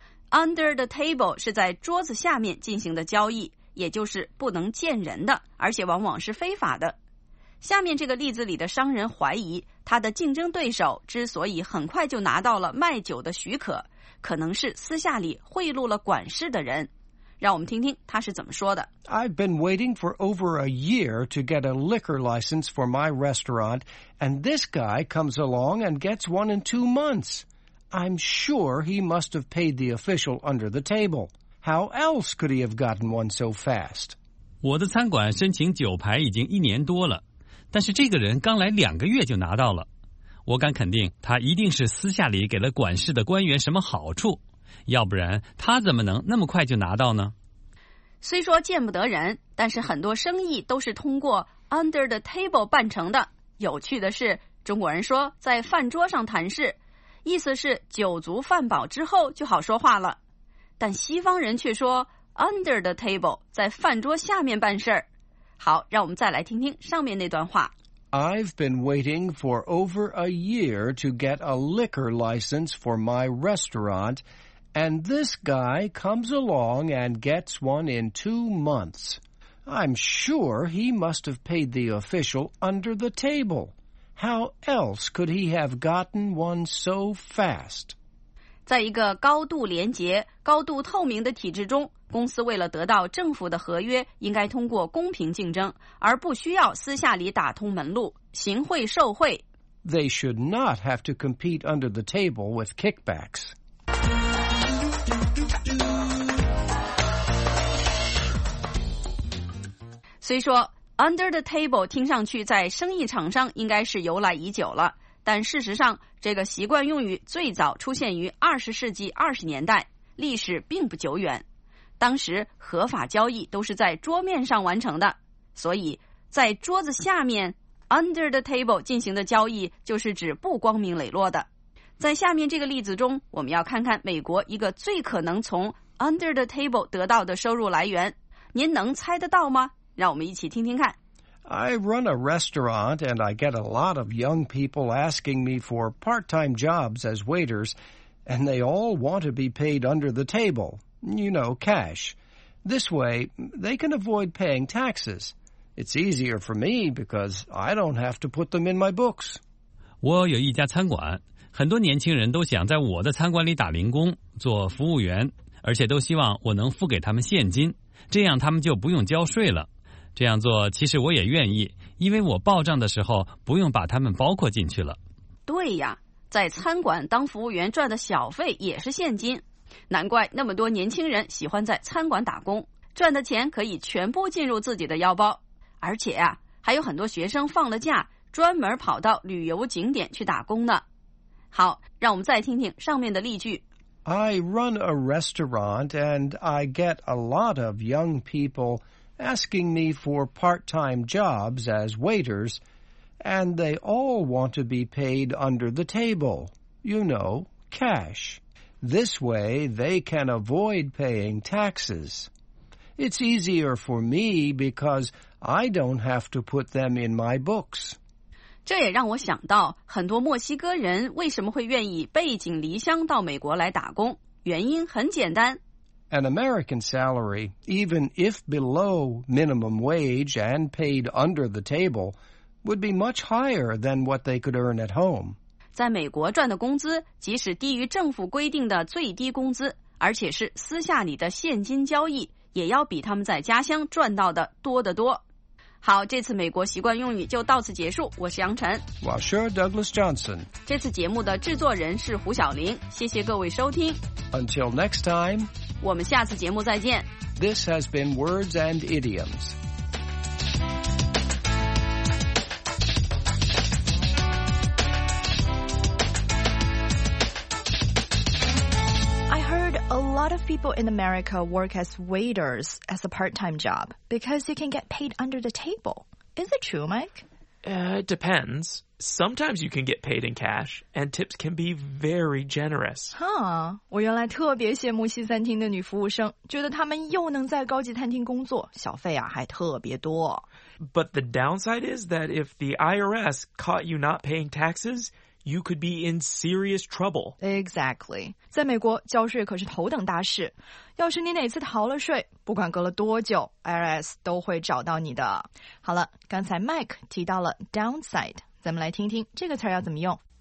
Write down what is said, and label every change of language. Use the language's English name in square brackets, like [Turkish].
[Chinese] Under the table 是在桌子下面进行的交易，也就是不能见人的，而且往往是非法的。下面这个例子里的商人怀疑他的竞争对手之所以很快就拿到了卖酒的许可，可能是私下里贿赂了管事的人。让我们听听他是怎么说的。 [English] I've been waiting for over a year to get a liquor license for my restaurant, and this guy comes along and gets one in 2 months. I'm sure he must have paid the official under the table. How else could he have gotten one so fast? [Chinese] 我的餐馆申请酒牌已经一年多了，但是这个人刚来两个月就拿到了，我敢肯定他一定是私下里给了管事的官员什么好处，要不然他怎么能那么快就拿到呢？虽说见不得人，但是很多生意都是通过 under the table 办成的。有趣的是，中国人说在饭桌上谈事，意思是酒足饭饱之后就好说话了。但西方人却说 under the table, 在饭桌下面办事儿。好，让我们再来听听上面那段话。 [English] I've been waiting for over a year to get a liquor license for my restaurant, and this guy comes along and gets one in 2 months. I'm sure he must have paid the official under the table. How else could he have gotten one so fast? [Chinese] 在一个高度廉洁、高度透明的体制中，公司为了得到政府的合约，应该通过公平竞争，而不需要私下里打通门路，行贿受贿。 [English] They should not have to compete under the table with kickbacks. [Chinese] 虽说 under the table 听上去在生意场上应该是由来已久了，但事实上这个习惯用语最早出现于20世纪20年代，历史并不久远。当时合法交易都是在桌面上完成的，所以在桌子下面 under the table 进行的交易就是指不光明磊落的。在下面这个例子中，我们要看看美国一个最可能从 under the table 得到的收入来源，您能猜得到吗？让我们一起听听看。 [English] I run a restaurant and I get a lot of young people asking me for part-time jobs as waiters, and they all want to be paid under the table, you know, cash. This way, they can avoid paying taxes. It's easier for me because I don't have to put them in my books. [Chinese] 我有一家餐馆，很多年轻人都想在我的餐馆里打零工，做服务员，而且都希望我能付给他们现金，这样他们就不用交税了。这样做其实我也愿意，因为我报账的时候不用把他们包括进去了。对呀，在餐馆当服务员赚的小费也是现金，难怪那么多年轻人喜欢在餐馆打工，赚的钱可以全部进入自己的腰包。而且啊，还有很多学生放了假专门跑到旅游景点去打工呢。好，让我们再听听上面的例句。 [English] I run a restaurant and I get a lot of young people... asking me for part-time jobs as waiters, and they all want to be paid under the table, you know, cash. This way, they can avoid paying taxes. It's easier for me because I don't have to put them in my books. [Chinese] 这也让我想到很多墨西哥人为什么会愿意背井离乡到美国来打工，原因很简单。 [English] An American salary, even if below minimum wage and paid under the table, would be much higher than what they could earn at home. [Chinese] 在美国赚的工资，即使低于政府规定的最低工资，而且是私下里的现金交易，也要比他们在家乡赚到的多得多。好，这次美国习惯用语就到此结束。我是杨晨。 [English] Well, sure, Douglas Johnson. [Chinese] 这次节目的制作人是胡晓玲。谢谢各位收听。 [English] Until next time. [Chinese] 我们下次节目再见。 [English] This has been Words and Idioms. I heard a lot of people in America work as waiters as a part-time job because you can get paid under the table. Is it true, Mike? It depends. Sometimes you can get paid in cash, and tips can be very generous. [Chinese] Huh, 我原来特别羡慕西餐厅的女服务生，觉得她们又能在高级餐厅工作，小费啊还特别多。 [English] But the downside is that if the IRS caught you not paying taxes, you could be in serious trouble. Exactly. [Chinese] 在美国交税可是头等大事，要是你哪次逃了税，不管隔了多久 ,IRS 都会找到你的。好了，刚才 Mike 提到了 downside, 咱们来听听这个词要怎么用。